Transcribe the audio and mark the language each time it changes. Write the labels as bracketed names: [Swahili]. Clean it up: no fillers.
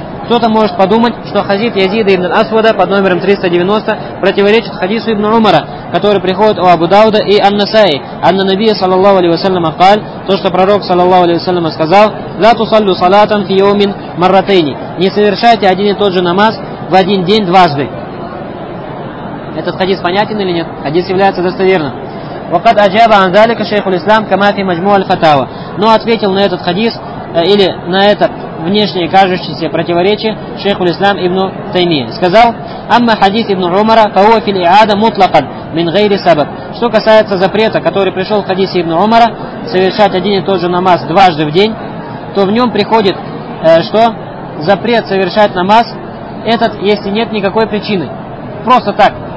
[Russian] Кто-то может подумать, что хадис Язида ибн аль-Асвада под номером 390 противоречит хадису ибн Умара, который приходит у Абу Дауда и ан-Насаи. Ан-Набия саллаллаху алейхи ва саллям قال, то, что пророк саллаллаху алейхи ва саллям сказал: [Arabic] «Ла тусаллю салатан фи йомин марратейни». [Russian] Не совершайте один и тот же намаз в один день дважды. Этот хадис понятен или нет? Хадис является достоверным. [Arabic] وقد اجاب عن ذلك شيخ الاسلام كما في مجموع الفتاوى. [Russian] Но ответил на этот хадис или на это внешние кажущиеся противоречия шейху ислам ибн Таймия. Сказал: [Arabic] «Амма хадис ибн Умара, кауа фил иада мутлакан, мин гейри сабаб». [Russian] Что касается запрета, который пришел в хадисе ибн Умара, совершать один и тот же намаз дважды в день, то в нем приходит, что запрет совершать намаз, этот, если нет никакой причины. Просто так.